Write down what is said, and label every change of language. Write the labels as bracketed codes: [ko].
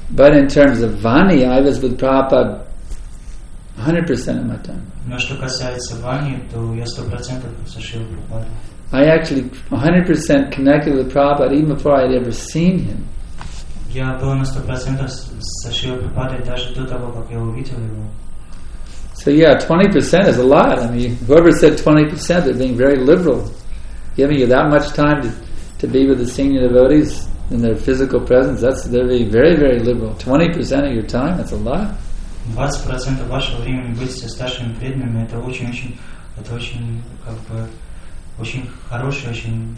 [en] But in terms of Vani, I was with Prabhupada 100% of my time. [ru] Но что касается Вани, то я 100% со Шрилой Прабхупадой. [en] I actually 100% connected with Prabhupada even before I had ever seen him. [ru] Я был на 100% со Шрилой Прабхупадой даже до того, как я увидел его. [en] So yeah, 20% is a lot. I mean, whoever said 20%, they're being very liberal. Giving you that much time to be with the senior devotees in their physical presence, they're being very, very liberal. 20% of your time, that's a lot. [ru] 20% вашего времени быть со старшими преданными, это очень хорошее.